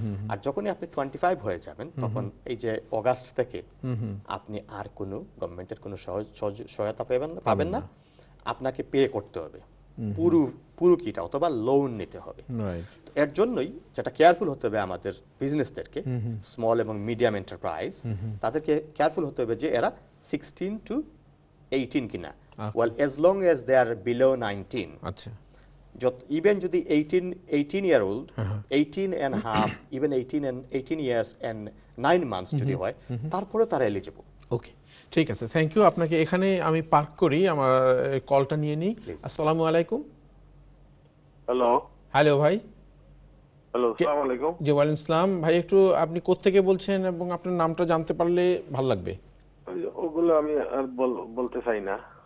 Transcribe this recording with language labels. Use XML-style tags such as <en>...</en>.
<bn>আর যখনই আপনি 25 হয়ে যাবেন তখন এই যে অগাস্ট থেকে আপনি আর কোনো গভর্নমেন্টের কোনো সহায়তা পাবেন না, আপনাকে পে করতে হবে পুরো কিটা, অথবা লোন নিতে হবে। এর জন্যই যেটা কেয়ারফুল হতে হবে আমাদের বিজনেসদেরকে, স্মল এবং মিডিয়াম এন্টারপ্রাইজ, তাদেরকে কেয়ারফুল হতে হবে যে এরা 16 to 18 কিনা।</bn> <en>Well, as long as they are below 19, even to the 18-year-old, 18 and a half, even 18 years and 9 months,</en> <bn>তারপরে তারা এলিজিবল। ওকে, ঠিক আছে, থ্যাংক ইউ। আপনাকে এখানে আমি পার্ক করি, আমার কলটা নিয়ে নিই। আসসালামু আলাইকুম। হ্যালো। হ্যালো ভাই। হ্যালো, আসসালামু আলাইকুম। জি, ওয়ালাইকুম সালাম ভাই। একটু আপনি কোত্থেকে বলছেন এবং আপনার নামটা জানতে পারলে ভালো লাগবে। ওগুলো আমি আর বলতে চাই না।</bn>